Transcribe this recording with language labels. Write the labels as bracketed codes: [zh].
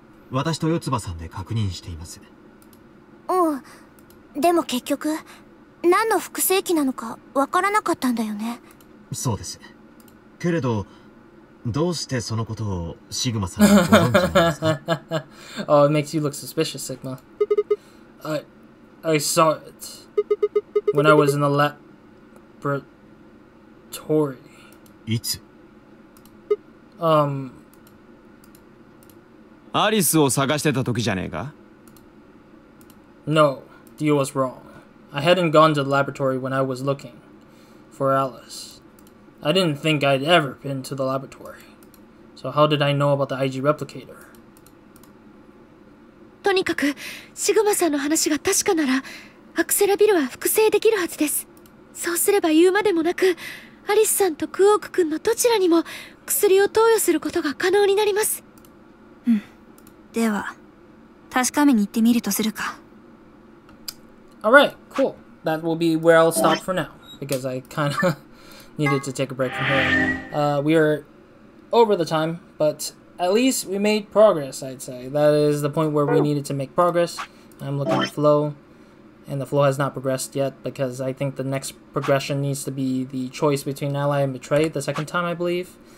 [ja] 私と四つ葉さんで確認しています。うん、でも結局何の複製機なのかわからなかったんだよね。そうですけれど、どうしてそのことをシグマさんにご存知なんですか。 [en] Oh, it makes you look suspicious, Sigma. I saw it when I was in the laboratory. [ja] いつ? アリスを探してた時じゃねえか? [en] No, Dio was wrong. I hadn't gone to the laboratory when I was looking for Alice. I didn't think I'd ever been to the laboratory. So how did I know about the IG replicator? [ja] とにかく、シグマさんの話が確かなら、アクセラビルは複製できるはずです。そうすれば言うまでもなく、アリスさんとクオーク君のどちらにも薬を投与することが可能になります。うん。では、確かめに行ってみるとするか。 [en] Alright, cool. That will be where I'll stop for now. Because I kind of needed to take a break from here. We are over the time, but at least we made progress, I'd say. That is the point where we needed to make progress. I'm looking at flow, and the flow has not progressed yet because I think the next progression needs to be the choice between ally and betray the second time, I believe.